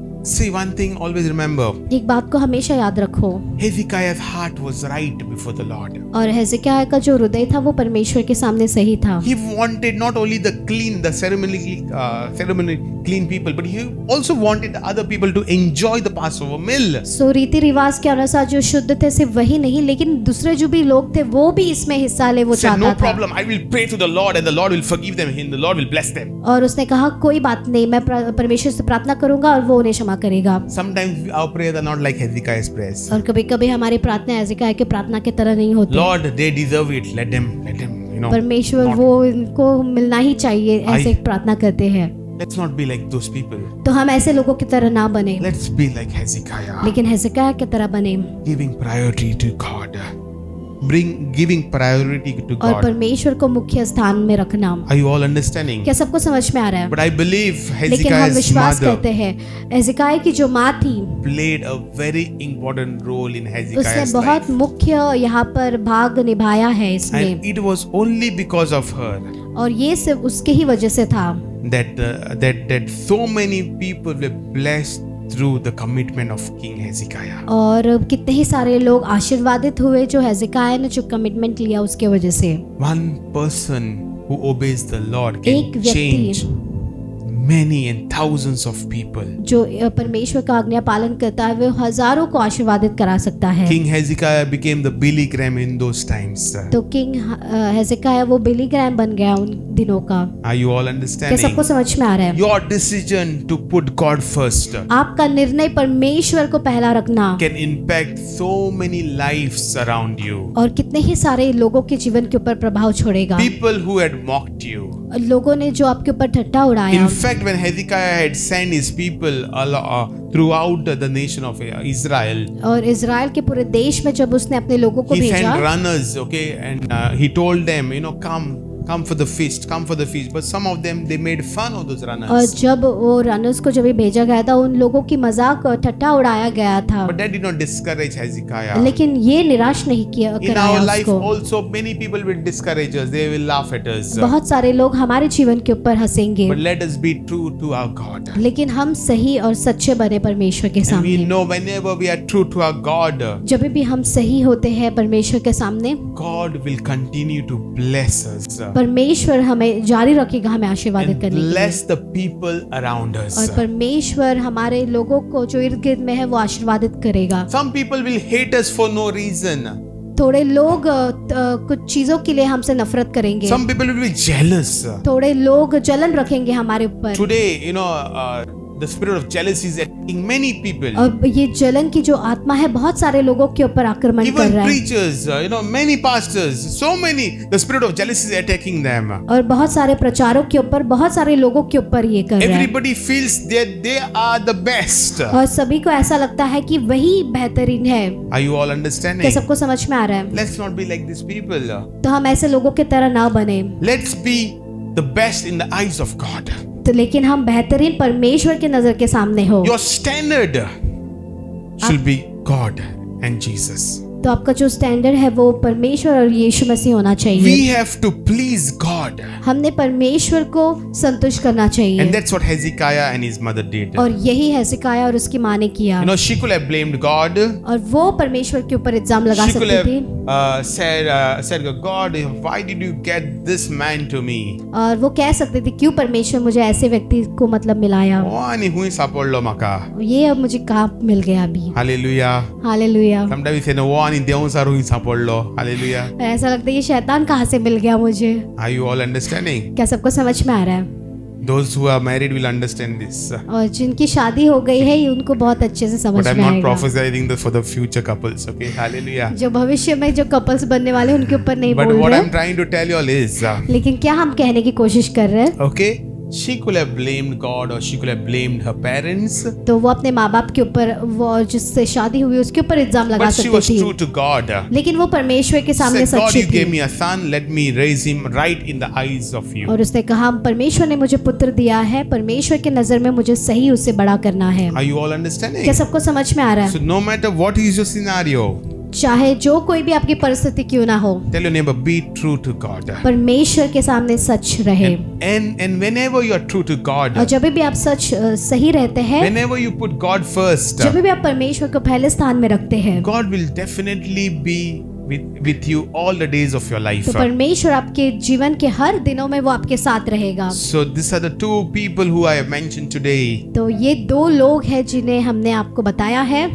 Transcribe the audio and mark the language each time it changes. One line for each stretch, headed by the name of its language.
English: See one thing, always remember.
Hindi: एक बात को हमेशा याद रखो.
English: Hezekiah's heart was right before the Lord.
Hindi: और हेजेकिया का जो हृदय था वो परमेश्वर के सामने सही था.
English: He wanted not only the clean, the ceremonially clean people, but he also wanted the other people to enjoy the Passover meal.
Hindi: So रीति रिवाज के अनुसार जो शुद्ध थे सिर्फ वही नहीं, लेकिन दूसरे जो भी लोग थे वो भी इसमें हिस्सा ले वो चाहता था.
English: No problem. I will pray to the Lord, and the Lord will forgive them, and the Lord will bless them.
Hindi: और उसने कहा कोई बात नहीं, मैं परमेश्वर से प्रार्थना करूंगा और वो उन्हें क्षमा क्षमा करेगा.
English: Sometimes our prayers are not like Hezekiah's prayers.
Hindi: और कभी कभी हमारी प्रार्थना हेजेकिया के प्रार्थना के तरह नहीं होती.
English: Lord, they deserve it. Let them, you know.
Hindi: परमेश्वर वो इनको मिलना ही चाहिए ऐसे प्रार्थना करते हैं.
English: Let's not be like those people.
Hindi: तो हम ऐसे लोगों की तरह ना बने.
English: Let's be like Hezekiah.
Hindi: लेकिन हेजेकिया की तरह बने.
English: Giving priority to God. Giving priority to God.
Hindi: और परमेश्वर को मुख्य स्थान में रखना.
English: Are you all understanding?
Hindi: क्या सबको समझ में आ रहा है?
English: But I believe Hezekiah's mother.
Hindi: हेजेकिया की जो माँ थी.
English: Played a very important role in Hezekiah's life.
Hindi: उसने बहुत मुख्य यहाँ पर भाग निभाया है इसमें.
English: And it was only because of her.
Hindi: और ये सिर्फ उसके ही वजह से था.
English: That so many people were blessed. Through the commitment of King Hezekiah.
Hindi: और कितने ही सारे लोग आशीर्वादित हुए जो हेजेकिया ने जो कमिटमेंट लिया उसके वजह से.
English: One person who obeys the Lord can change many and thousands of people.
Hindi: जो परमेश्वर का आज्ञा पालन करता है वे हजारों को आशीर्वादित करा सकता है.
English: King Hezekiah became the Billy Graham in those times.
Hindi: तो किंग हेजेकिया वो बिली ग्राम बन गया उन दिनों का.
English: Are you all understanding?
Hindi: सबको समझ में आ रहा है?
English: Your decision to put God first.
Hindi: आपका निर्णय परमेश्वर को पहला रखना.
English: Can impact so many lives around you.
Hindi: और कितने ही सारे लोगों के जीवन के ऊपर प्रभाव छोड़ेगा.
English: People who had mocked you.
Hindi: लोगों ने जो आपके ऊपर ठट्टा उड़ाया.
English: In fact, when Hezekiah had sent his people throughout the nation of Israel,
Hindi: और इज़राइल के पूरे देश में जब उसने अपने लोगों को भेजा,
English: he sent runners, okay, and he told them, you know, come for the feast, but some of them they made fun of those runners.
Hindi: और जब वो runners को जब ये भेजा गया था, उन लोगों की मजाक ठट्टा उड़ाया गया था.
English: But that did not discourage Hezekiah.
Hindi: लेकिन ये निराश नहीं किया उसको.
English: In our life also many people will discourage us. They will laugh at us.
Hindi: बहुत सारे लोग हमारे जीवन के ऊपर हंसेंगे.
English: But let us be true to our God.
Hindi: लेकिन हम सही और सच्चे बने परमेश्वर के सामने.
English: And we know whenever we are true to our God.
Hindi: जब भी हम सही होते हैं परमेश्वर के सामने.
English: God will continue to bless us.
Hindi: परमेश्वर हमें जारी रखेगा हमें आशीर्वादित करने के लिए.
English: And bless the people around us.
Hindi: और परमेश्वर हमारे लोगों को जो इर्द गिर्द में है वो आशीर्वादित करेगा.
English: Some people will hate us for no reason.
Hindi: थोड़े लोग कुछ चीजों के लिए हमसे नफरत करेंगे.
English: Some people will be jealous.
Hindi: थोड़े लोग जलन रखेंगे हमारे ऊपर.
English: Today, you know, the spirit of jealousy is attacking many people.
Hindi: अब ये जलन की जो आत्मा है बहुत सारे लोगों के ऊपर आक्रमण कर रहा है.
English: Even preachers, you know, many pastors, so many, the spirit of jealousy is attacking them.
Hindi: और बहुत सारे प्रचारकों के ऊपर बहुत सारे लोगों के ऊपर ये कर रहा है.
English: Everybody feels that they are the best.
Hindi: और सभी को ऐसा लगता है कि वही बेहतरीन है.
English: Are you all understanding?
Hindi: क्या सबको समझ में आ रहा है?
English: Let's not be like these people.
Hindi: तो हम ऐसे लोगों की तरह ना बने.
English: Let's be the best in the eyes of God.
Hindi: तो लेकिन हम बेहतरीन परमेश्वर के नजर के सामने हो.
English: Your standard should be God and Jesus.
Hindi: तो आपका जो स्टैंडर्ड है वो परमेश्वर और यीशु मसीह होना चाहिए.
English: We have to please God.
Hindi: हमने परमेश्वर को संतुष्ट करना चाहिए.
English: And that's what Hezekiah and his mother did.
Hindi: और यही हेजेकिया और उसकी माँ ने किया.
English: You know, she could have blamed God.
Hindi: और वो परमेश्वर के ऊपर इल्जाम लगा सकती थी.
English: said, God, why did you get this man to me?
Hindi: और वो कह सकती थी क्यों परमेश्वर मुझे ऐसे व्यक्ति को मतलब मिलाया. वानी हुई सपोर्ट लो मका. ये अब मुझे कहाँ मिल गया अभी.
English: Hallelujah. Hallelujah. Sometimes we say, no, वानी देवों सारों ही सपोर्ट लो. Hallelujah.
Hindi: ऐसा लगता है ये शैतान कहाँ से मिल गया मुझे.
English: Are you all understanding?
Hindi: क्या सबको समझ में आ रहा है?
English: Those who are married will understand this.
Hindi: और जिनकी शादी हो गई है उनको बहुत अच्छे से समझ में आएगा.
English: But I'm not prophesying this for the future couples, okay? Hallelujah.
Hindi: जो भविष्य में जो couples बनने वाले उनके ऊपर नहीं बोल रहे.
English: But what I'm trying to tell you all is.
Hindi: लेकिन क्या हम कहने की कोशिश कर रहे हैं?
English: Okay. She could have blamed God or she could have blamed her parents.
Hindi: तो वो अपने माँबाप के ऊपर वो जिससे शादी हुई उसके ऊपर इल्जाम लगा सकती थी.
English: But she was true to God.
Hindi: लेकिन वो परमेश्वर के सामने सच्ची थी.
English: God, you gave me a son. Let me raise him right in the eyes of you.
Hindi: और उसने कहा परमेश्वर ने मुझे पुत्र दिया है परमेश्वर के नजर में मुझे सही उससे बड़ा करना है.
English: Are you all understanding?
Hindi: क्या सबको समझ में आ रहा है?
English: So no matter what is your scenario.
Hindi: चाहे जो कोई भी आपकी परिस्थिति क्यों ना हो.
English: Tell your neighbor, be true to God.
Hindi: परमेश्वर के सामने सच रहे.
English: And whenever you are true to God.
Hindi: और जब भी आप सच सही रहते हैं.
English: Whenever you put God first.
Hindi: जब भी आप परमेश्वर को पहले स्थान में रखते हैं.
English: God will definitely be with you all the days of your life.
Hindi: तो परमेश्वर आपके जीवन के हर दिनों में वो आपके साथ रहेगा.
English: So these are the two people who I have mentioned today.
Hindi: तो ये दो लोग हैं जिन्हें हमने आपको बताया है.